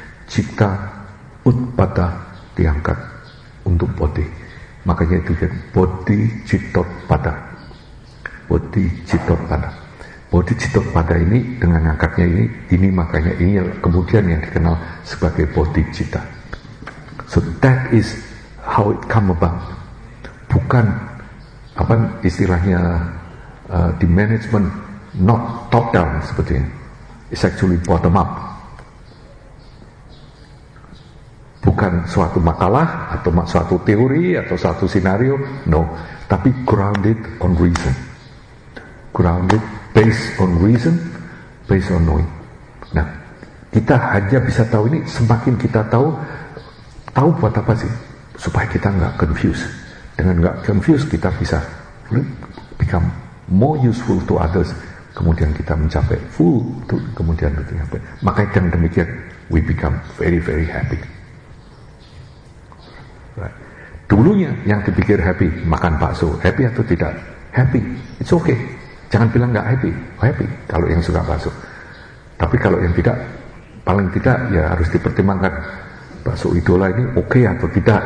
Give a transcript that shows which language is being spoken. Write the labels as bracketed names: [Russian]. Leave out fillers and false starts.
[Indonesian] Cita utpada diangkat untuk bodhi. Makanya itu kan bodhi cittotpada. Bodhi cittotpada. Bodhicittapada ini dengan angkatnya ini makanya ini kemudian yang dikenal sebagai bodhicitta. [English] So that is how it come about. [Indonesian] Bukan apa istilahnya di management, [English] not top down [Indonesian] seperti ini. [English] It's actually bottom up. [Indonesian] Bukan suatu makalah atau suatu teori atau suatu senario, no. [English] Tapi grounded on reason. Grounded based on reason, based on knowing. Nah, [Indonesian] kita hanya bisa tahu ini, semakin kita tahu, tahu buat apa sih? Supaya kita enggak confused. Dengan enggak confused, kita bisa [English] become more useful to others. [Indonesian] Kemudian kita mencapai full, to, kemudian mencapai. Maka dengan demikian, [English] we become very, very happy. Right. [Indonesian] Dulunya yang dipikir happy, makan bakso. Happy atau tidak? Happy. [English] It's okay. [Indonesian] Jangan bilang enggak happy. Happy kalau yang suka bakso. Tapi kalau yang tidak, paling tidak ya harus dipertimbangkan. Bakso idola ini oke okay atau tidak?